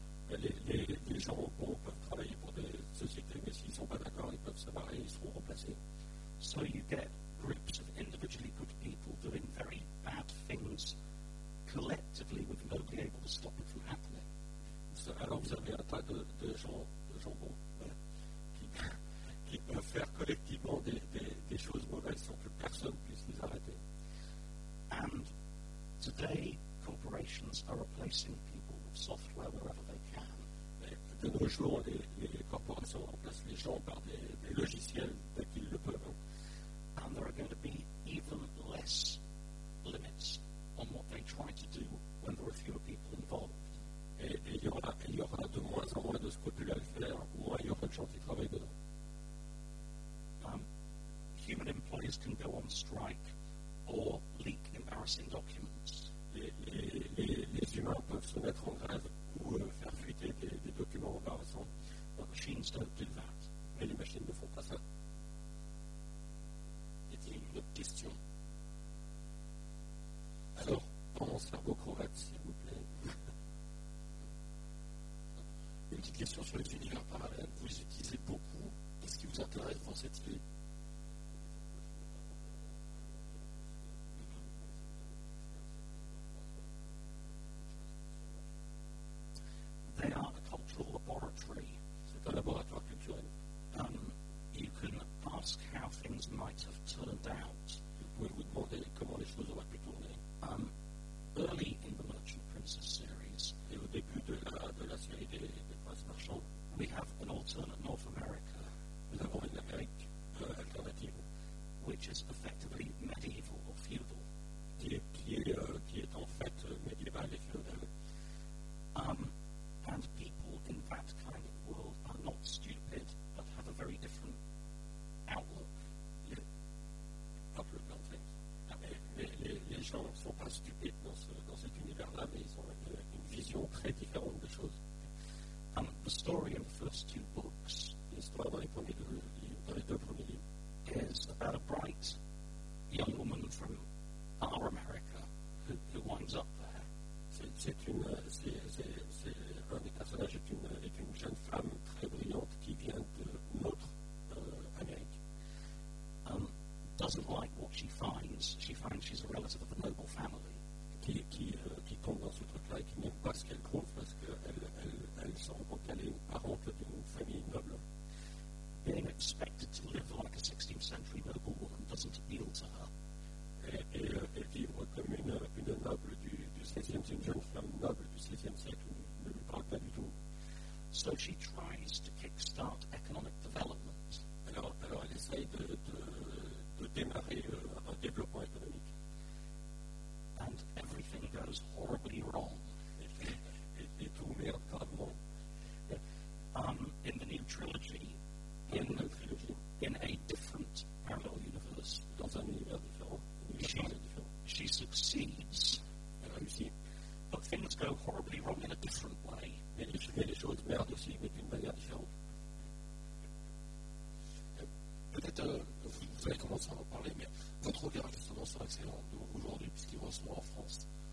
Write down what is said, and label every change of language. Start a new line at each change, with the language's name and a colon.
French: des robots peuvent travailler pour des sociétés, mais s'ils ne sont pas d'accord, ils peuvent se barrer et ils seront remplacés.
English: So you get groups of individually good people doing very bad things collectively with nobody able to stop it from happening.
French: So, alors vous avez un tas de gens bons, hein, qui peuvent faire collectivement des choses mauvaises sans que personne puisse les arrêter.
English: And today, corporations are replacing people with software wherever they can.
French: Et de nos jours, les corporations remplacent les gens par des logiciels dès qu'ils le peuvent.
English: And there are going to be even less limits on what they try to do when there are fewer people involved.
French: Et il y aura de moins en moins de scrupules à faire, moins il y aura de gens qui travaillent dedans.
English: Human employees can go on strike or leak embarrassing documents.
French: Les humains peuvent se mettre en grève ou faire fuiter des documents embarrassants.
English: But machines don't do that.
French: Mais les machines ne font pas ça. Une autre question. Alors, pendant ce cerveau crevette, s'il vous plaît. Une petite question sur les univers parallèles. Vous les utilisez beaucoup. Qu'est-ce qui vous intéresse dans cette idée?
English: They are a cultural laboratory.
French: C'est un laboratoire culturel.
English: You can ask how things might have turned out.
French: Vous demandez comment les choses auraient pu tourner.
English: Early in the Merchant Princess series,
French: et au début de la série des Princes Marchands,
English: we have an alternate North America.
French: Nous avons une Amérique alternative,
English: which is effectively medieval or feudal.
French: Qui est en fait médiévale et féodale.
English: And people in that kind of world are not stupid, but have a very different outlook on things.
French: Les gens ne sont pas stupides dans cet univers-là, mais ils ont une vision très différente des choses.
English: The story of the first two books,
French: l'histoire dans les deux premiers livres,
English: is about a bright young woman from our America who winds up there.
French: C'est un des personnages est une jeune femme très brillante qui vient de notre Amérique.
English: Doesn't like what she finds. She finds she's a relative of a noble family.
French: Qui tombe dans ce truc-là et qui n'aime pas ce qu'elle trouve parce qu'elle se rend compte qu'elle est une parente d'une famille noble.
English: Being expected to live like a 16th century noble woman doesn't appeal to her.
French: Et vivre comme une noble du 16e, une jeune femme noble du 16e siècle ne lui parle pas du tout.
English: So she tries to kickstart economic development.
French: Alors elle essaye de démarrer un développement économique.
English: And everything goes horribly wrong.
French: Et tout merde gravement.
English: In the new trilogy, in a different parallel universe,
French: dans un univers différent,
English: she succeeds.
French: Elle réussit.
English: But things go horribly wrong in a different way.
French: Mais les choses merdent aussi, mais d'une manière différente. Peut-être vous allez commencer à en parler, mais votre regard justement sur l'excellent aujourd'hui, puisqu'il ressemble en France.